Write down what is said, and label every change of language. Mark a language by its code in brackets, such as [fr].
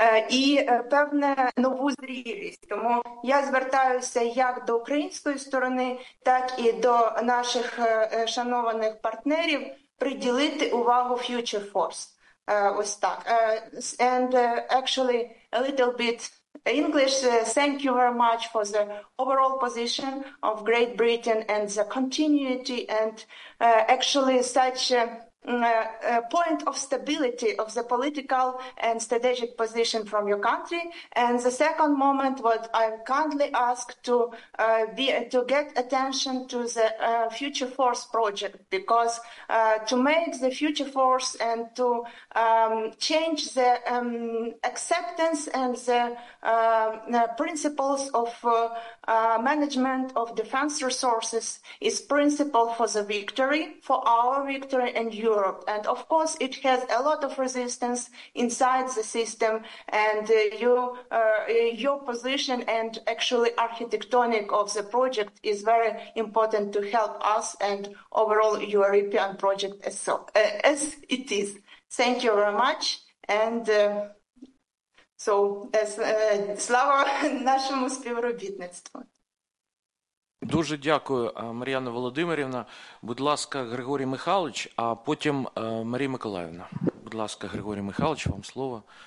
[uk] І певне нову зрілість. Тому я звертаюся як до української сторони, так і до наших шанованих партнерів приділити увагу Future Force. Ось так. [en] And actually, a little bit English. Thank you very much for the overall position of Great Britain and the continuity and actually such point of stability of the political and strategic position from your country. And the second moment, what I kindly ask to get attention to the Future Force project, because to make the Future Force and to change the acceptance and the principles of management of defense resources is principle for the victory, for our victory and Europe. And of course, it has a lot of resistance inside the system, and your position and actually architectonic of the project is very important to help us and overall European project as it is. Thank you very much. [uk] And слава нашому співробітництву. Дуже дякую, Мар'яна Володимирівна. Будь ласка, Григорій Михайлович, а потім Марія Миколаївна. Будь ласка, Григорій Михайлович, вам слово.